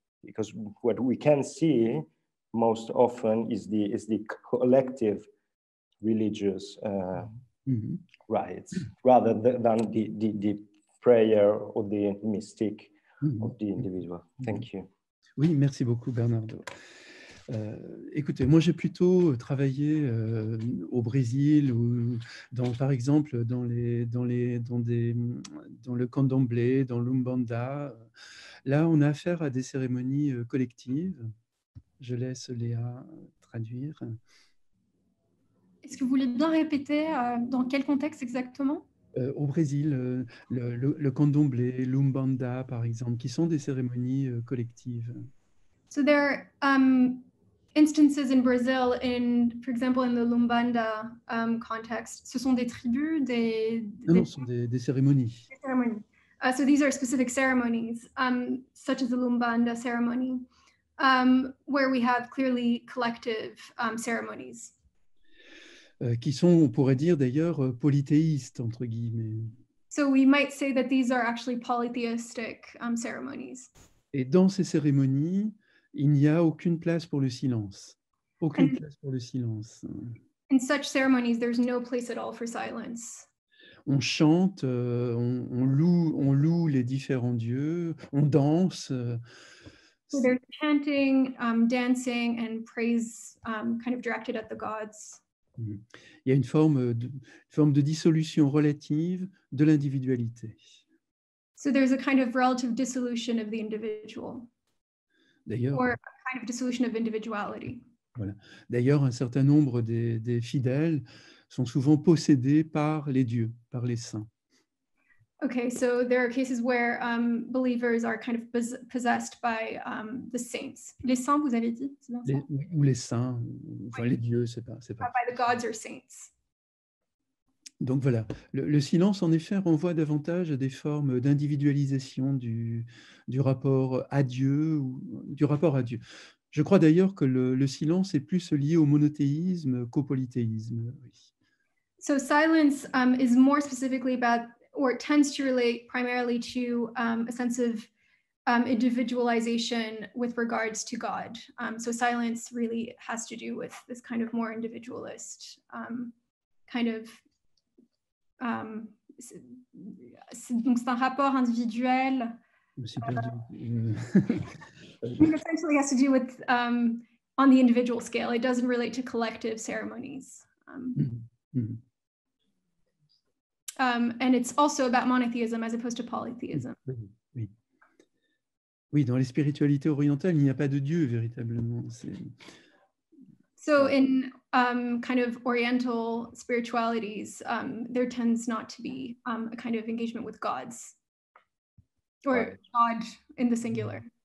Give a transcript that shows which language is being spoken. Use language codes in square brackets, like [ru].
[en] because what we can see most often is the collective religious rites rather than the prayer or the mystic of the individual. Thank you. [fr] Oui, merci beaucoup, Bernardo. Écoutez, moi j'ai plutôt travaillé au Brésil ou dans le candomblé, dans l'umbanda. Là, on a affaire à des cérémonies collectives. Je laisse Léa traduire. Est-ce que vous voulez bien répéter dans quel contexte exactement? Au Brésil, le candomblé, l'umbanda, par exemple, qui sont des cérémonies collectives. [en] So there are instances in Brazil, in, for example, in the Lumbanda context, [fr] ce sont des tribus, des cérémonies. Des cérémonies. [en] So these are specific ceremonies, such as the Lumbanda ceremony, where we have clearly collective ceremonies. [fr] Qui sont, on pourrait dire d'ailleurs, polythéistes, entre guillemets. [en] So we might say that these are actually polytheistic ceremonies. [fr] Et dans ces cérémonies, il n'y a aucune place pour le silence. Place pour le silence. [en] In such ceremonies, there's no place at all for silence. [fr] On chante, on loue les différents dieux, on danse. [en] So they're chanting, dancing, and praise kind of directed at the gods. [fr] Il y a une forme de dissolution relative de l'individualité. [en] So there's a kind of relative dissolution of the individual. [fr] D'ailleurs, [en] or a kind of dissolution of individuality. [fr] Voilà. D'ailleurs, un certain nombre des fidèles sont souvent possédés par les dieux, par les saints. [en] Okay, so there are cases where believers are kind of possessed by the saints. [fr] Les saints, vous avez dit, c'est bien ça? Ou les saints, enfin, les dieux, c'est pas. [en] By the gods or saints. [fr] Donc voilà, le silence en effet renvoie davantage à des formes d'individualisation du rapport à Dieu. Je crois d'ailleurs que le silence est plus lié au monothéisme qu'au polythéisme. Oui. [en] So silence is more specifically about, or it tends to relate primarily to a sense of individualization with regards to God. So silence really has to do with this kind of more individualist kind of. [fr] Donc c'est un rapport individuel. [en] It essentially has to do with on the individual scale. It doesn't relate to collective ceremonies. And it's also about monotheism as opposed to polytheism. [fr] Oui, dans les spiritualités orientales, il n'y a pas de dieu véritablement. [en] So in kind of oriental spiritualities, there tends not to be a kind of engagement with gods, or God in the singular.